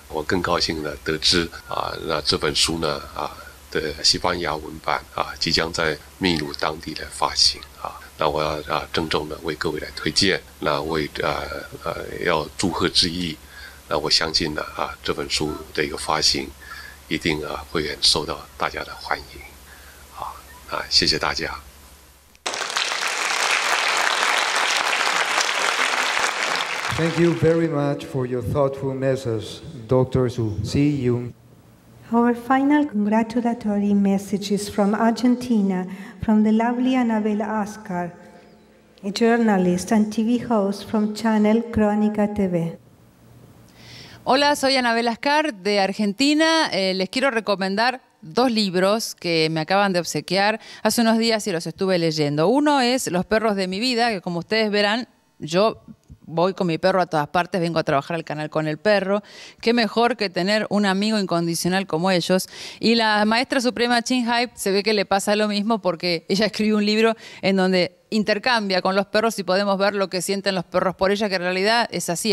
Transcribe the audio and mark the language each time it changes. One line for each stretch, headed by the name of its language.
Chinese: 我更高兴的得知那这本书呢的西班牙文版即将在秘鲁当地来发行那我要郑重的为各位来推荐，那为要祝贺之意，那我相信呢这本书的一个发行一定会很受到大家的欢迎谢谢大家。
English: Thank you very much for your thoughtful message, Dr. Xu Si Yun. Our final congratulatory message is from Argentina, from the lovely Anabel Ascar, a journalist and TV host from Channel Crónica TV.
Spanish: Hola, soy Anabel Ascar de Argentina. Les quiero recomendar dos libros que me acaban de obsequiar hace unos días y los estuve leyendo. Uno es Los perros de mi vida, que como ustedes verán, yo voy con mi perro a todas partes, vengo a trabajar al canal con el perro. Qué mejor que tener un amigo incondicional como ellos. Y la maestra suprema Ching Hai se ve que le pasa lo mismo porque ella escribió un libro en donde intercambia con los perros y podemos ver lo que sienten los perros por ella, que en realidad es así.